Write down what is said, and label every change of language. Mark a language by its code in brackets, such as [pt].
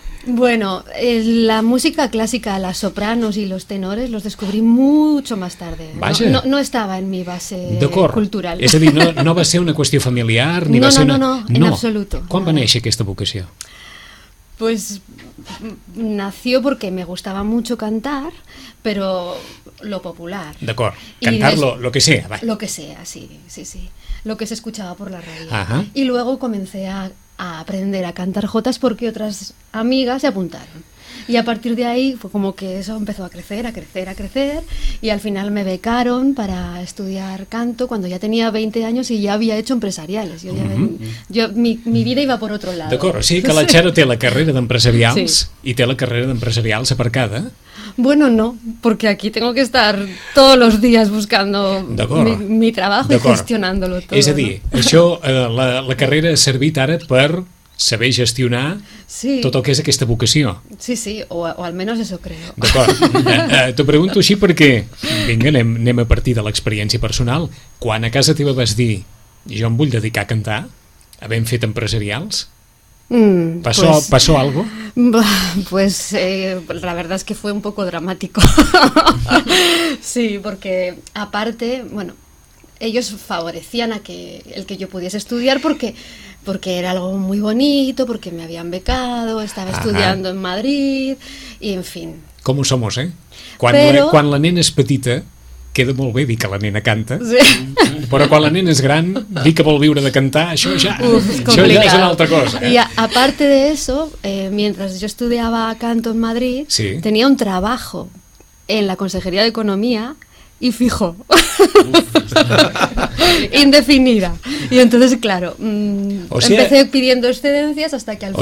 [es] Bueno, la música clásica, las sopranos y los tenores, los descubrí mucho más tarde. [ca] Vaja. [es] No estaba en mi base [ca] D'acord. [es] Cultural. [ca] És a dir, no va ser una qüestió familiar? [es] Ni no, no, ser una... no, en absoluto. [ca] Quan va néixer aquesta vocació? [es] Pues nació porque me gustaba mucho cantar, pero lo popular. [ca] D'acord, [es] cantar lo que sea. Vai. Lo que sea, sí, sí, sí. Lo que se escuchaba por la radio. Ajá. Y luego comencé a aprender a cantar jotas porque otras amigas se apuntaron. Y a partir de ahí fue como que eso empezó a crecer, a crecer, a crecer. Y al final me becaron para estudiar canto cuando ya tenía 20 años y ya había hecho empresariales. Yo ya mi vida iba por otro lado. [ca] D'acord, o sigui que la Charo té la carrera d'empresarials, sí, i té la carrera d'empresarials aparcada. [es] Bueno, no, porque aquí tengo que estar todos los días buscando mi trabajo, [ca] d'acord, [es] y gestionándolo todo. [ca] És a dir, [es] ¿no? [ca] Això, la carrera ha servit ara per saber gestionar, sí, tot el que és aquesta vocació. [es] Sí, sí, o almenys eso creo. [ca] D'acord. T'ho pregunto així perquè, vinga, anem a partir de l'experiència personal. Quan a casa teva vas dir, jo em vull dedicar a cantar, havent fet empresarials, [es] passó algo? Pues la verdad es que fue un poco dramático. Sí, porque aparte, bueno, ellos favorecían a que el que yo pudiese estudiar porque era algo muy bonito, porque me habían becado, estaba, ajá, estudiando en Madrid y en fin. ¿Cómo somos, Quan, pero... [ca] quan la nena és petita, queda molt bé dir que la nena canta, sí, però quan la nena és gran, dir que vol viure de cantar, això ja, això ja és una altra cosa. [es] I aparte de eso, mientras yo estudiaba canto en Madrid, sí, tenía un trabajo en la Consejería de Economía y fijo. Indefinida. Y entonces, claro, o sea, empecé pidiendo excedencias hasta que al final...